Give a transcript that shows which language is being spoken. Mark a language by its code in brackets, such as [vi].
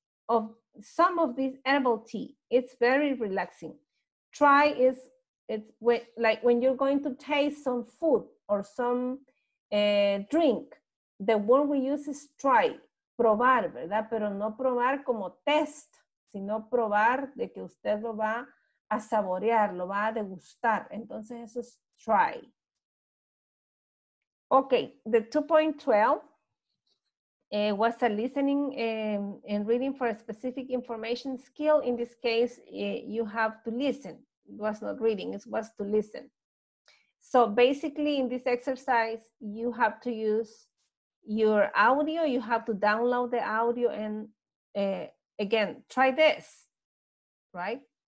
[en] of some of this herbal tea. It's very relaxing. Try is it's like when you're going to taste some food or some drink, the word we use is try, [es] probar, ¿verdad? Pero no probar como test, sino probar de que usted lo va a saborear, lo va a degustar. Entonces eso es try. [en] Okay, the 2.12 was a listening and reading for a specific information skill. In this case, you have to listen. It was not reading, it was to listen. So basically in this exercise, you have to use your audio, you have to download the audio and again, try this, right?